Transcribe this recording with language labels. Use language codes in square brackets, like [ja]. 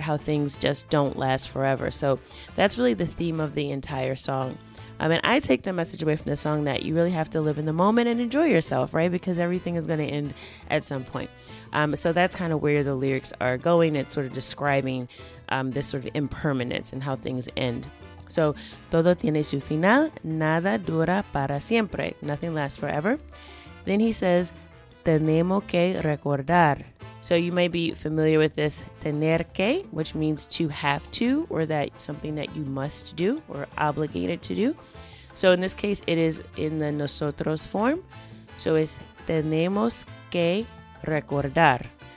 [en] How things just don't last forever. So, that's really the theme of the entire song. And I take the message away from the song that you really have to live in the moment and enjoy yourself, right? Because everything is going to end at some point. So that's kind of where the lyrics are going. It's sort of describing this sort of impermanence and how things end. [es] So, todo tiene su final, nada dura para siempre. [en] Nothing lasts forever. Then he says, [es] tenemos que recordar. [en] So you may be familiar with this, tener que, which means to have to, or that something that you must do or obligated to do. So in this case, it is in the nosotros form. So it's [es] tenemos que recordar.